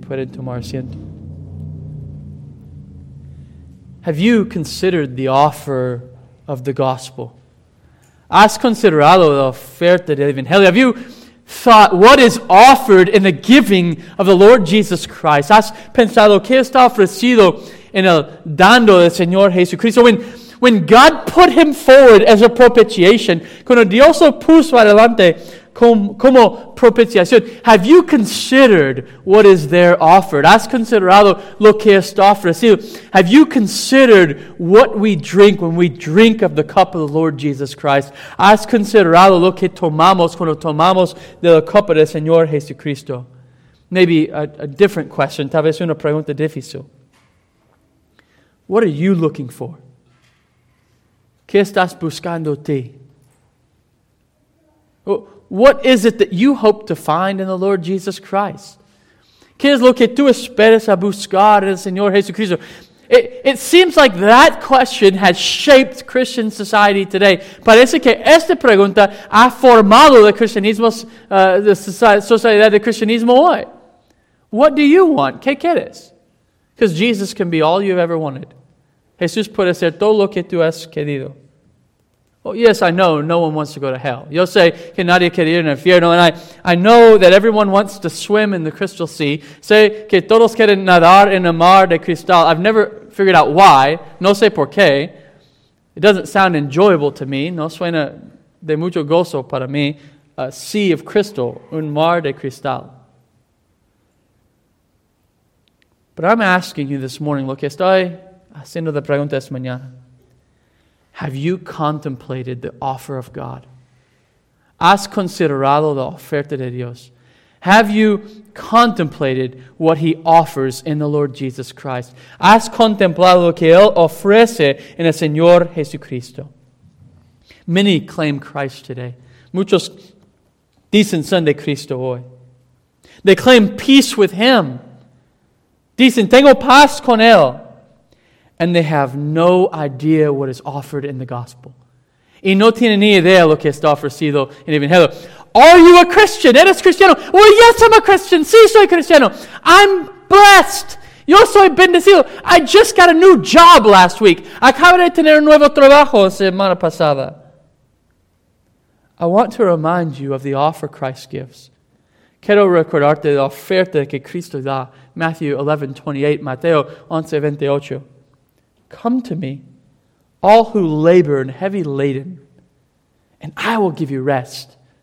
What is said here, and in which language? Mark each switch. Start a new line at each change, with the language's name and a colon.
Spanish: Pueden tomar asiento.
English: Have you considered the offer of the gospel?
Spanish: ¿Has considerado la oferta del Evangelio?
English: Have you thought what is offered in the giving of the Lord Jesus Christ?
Spanish: ¿Has pensado qué está ofrecido en el dando del Señor Jesucristo?
English: When God put him forward as a propitiation,
Spanish: cuando Dios lo puso adelante como propiciación,
English: have you considered what is there offered?
Spanish: ¿Has considerado lo que está ofrecido?
English: Have you considered what we drink when we drink of the cup of the Lord Jesus Christ?
Spanish: ¿Has considerado lo que tomamos cuando tomamos de la copa del Señor Jesucristo?
English: Maybe a different question,
Spanish: tal vez una pregunta difícil.
English: What are you looking for?
Spanish: ¿Qué estás buscando ti?
English: What is it that you hope to find in the Lord Jesus Christ?
Spanish: ¿Qué es lo que tú esperas a buscar en el Señor Jesucristo?
English: It seems like that question has shaped Christian society today.
Spanish: Parece que esta pregunta ha formado el cristianismo, la sociedad del cristianismo hoy.
English: What do you want?
Spanish: ¿Qué quieres?
English: Because Jesus can be all you've ever wanted.
Spanish: Jesús puede ser todo lo que tú has querido.
English: Well, yes, I know no one wants to go to hell.
Spanish: Yo sé que nadie quiere ir al infierno.
English: And I know that everyone wants to swim in the crystal sea.
Spanish: Sé que todos quieren nadar en el mar de cristal.
English: I've never figured out why.
Spanish: No sé por qué.
English: It doesn't sound enjoyable to me.
Spanish: No suena de mucho gozo para mí.
English: A sea of crystal,
Spanish: un mar de cristal.
English: But I'm asking you this morning,
Spanish: lo que estoy haciendo la pregunta esta mañana.
English: Have you contemplated the offer of God?
Spanish: ¿Has considerado la oferta de Dios?
English: Have you contemplated what He offers in the Lord Jesus Christ?
Spanish: ¿Has contemplado lo que Él ofrece en el Señor Jesucristo?
English: Many claim Christ today.
Spanish: Muchos dicen son de Cristo hoy.
English: They claim peace with Him.
Spanish: Dicen, tengo paz con Él.
English: And they have no idea what is offered in the gospel.
Spanish: Y no tienen ni idea lo que está ofrecido en el Evangelio.
English: Are you a Christian?
Spanish: ¿Eres cristiano?
English: Well, yes, I'm a Christian.
Spanish: Sí, soy cristiano.
English: I'm blessed.
Spanish: Yo soy bendecido.
English: I just got a new job last week.
Spanish: Acabo de tener un nuevo trabajo la semana pasada.
English: I want to remind you of the offer Christ gives.
Spanish: Quiero recordarte la oferta que Cristo da.
English: Matthew 11:28, Mateo 11:28. Come to me, all who labor and heavy laden, and I will give you rest.